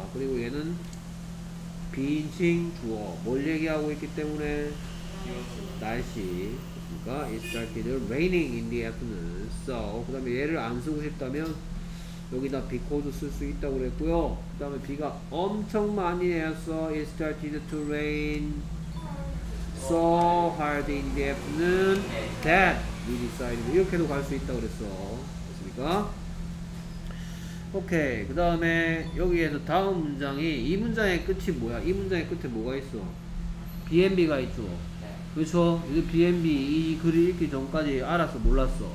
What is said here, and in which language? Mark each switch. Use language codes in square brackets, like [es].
[ko] 그리고 얘는 비인칭 주어. 뭘 얘기하고 있기 때문에? 날씨. 됐습니까? [en] It started raining in the afternoon. [ko] So, 그 다음에 얘를 안 쓰고 싶다면 여기다 because 쓸 수 있다고 그랬고요. 그 다음에 비가 엄청 많이 내렸어. [en] It started to rain. So hard in the afternoon that we decided. [ko] 이렇게도 갈 수 있다고 그랬어. 됐습니까? 오케이. 그 다음에 여기에서 다음 문장이 이 문장의 끝이 뭐야? 이 문장의 끝에 뭐가 있어? B&B가 있죠. 네. 그렇죠? B&B 이 글을 읽기 전까지 알았어? 몰랐어?